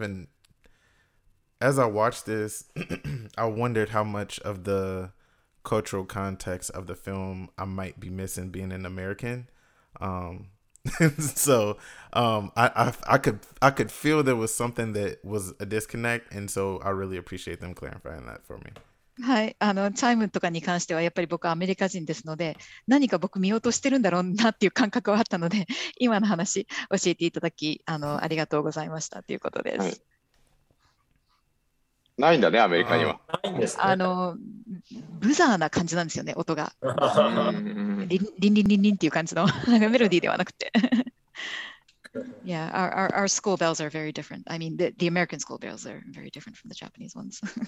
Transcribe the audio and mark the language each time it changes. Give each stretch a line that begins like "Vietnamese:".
English: And as I watched this, I wondered how much of the cultural context of the film I might be missing being an American. I could feel there was something that was a disconnect. And so I really appreciate them clarifying that for me.
Japanese: はい、チャイムとかに関してはやっぱり僕はアメリカ人ですので、何か僕見落としてるんだろうなっていう感覚はあったので、今の話教えていただき、ありがとうございましたということです。はい、ないんだね、アメリカには。ないんですね。ブザーな感じなんですよね、音が。リンリンリンリンっていう感じのメロディーではなくて。
English: Yeah, our school bells are very different. I mean, the American school bells are very different from the Japanese ones.